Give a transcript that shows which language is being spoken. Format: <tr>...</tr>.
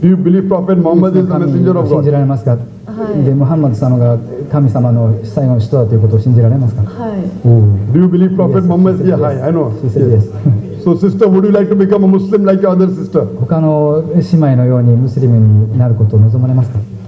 <en>Do you believe Prophet Muhammad is the messenger of God?</en> <ja>信じられますか。はい、で、ムハンマド様が神様の最後の使徒だということを信じられますか。はい。</ja> <en>Do you believe Prophet Muhammad? Yes. Yeah, yes. I know. She said yes. So, sister, would you like to become a Muslim like your other sister?</en> <ja>他の姉妹のようにムスリムになることを望まれますか。</ja>